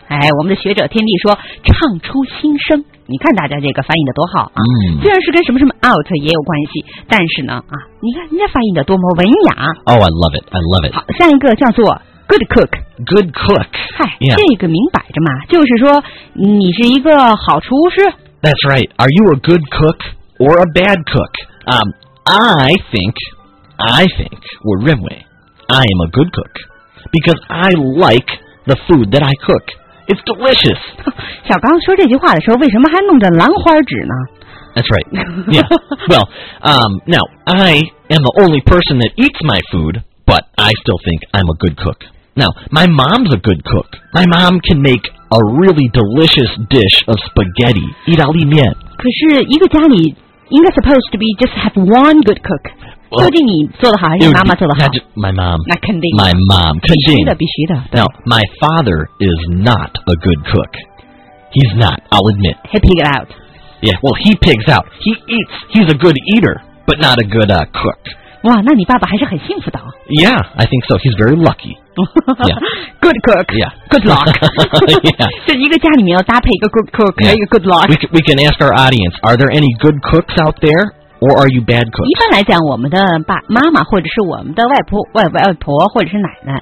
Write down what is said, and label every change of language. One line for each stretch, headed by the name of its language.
Chinese: 哎，我们的学者天地说唱出心声你看大家这个翻译的多好啊、嗯！虽然是跟什么什么 out 也有关系但是呢啊，你看人家翻译的多么文雅
English: Oh I love it I love it
Chinese: 好下一个叫做 Good cook
English: Good cook 嗨、 yeah.
Chinese: 这个明摆着嘛就是说你是一个好厨师
English: That's right Are you a good cook or a bad cook I think,
Chinese: 我认为
English: I am a good cook because I like the food that I cook. It's delicious.
Chinese: 小刚说这句话的时候为什么还弄着兰花指呢
English: That's right. Yeah. Well, now, I am the only person that eats my food, but I still think I'm a good cook. Now, my mom's a good cook. My mom can make a really delicious dish of spaghetti, 意大利面。
Chinese: 可是一个家里应该
English: supposed to be just have one good cook. Well,
Chinese: 究竟你做得好还是妈妈做得好
English: My mom
Chinese: 那肯定
English: My mom
Chinese: 肯定必须的必须的
English: Now my father is not a good cook He's not I'll admit He pigs out Yeah well he pigs out He eats He's a good eater But not a good cook
Chinese: 哇那你爸爸还是很幸福的、哦、
English: Yeah I think so He's very lucky 、yeah. Good cook Yeah Good luck Yeah
Chinese: 就一个家里面要搭配一个 good cook、
English: yeah.
Chinese: 一个 good luck
English: We can ask our audience Are there any good cooks out thereOr are you bad cooks?
Chinese: 一般来讲，我们的爸妈妈或者是我们的外婆、外婆或者是奶奶，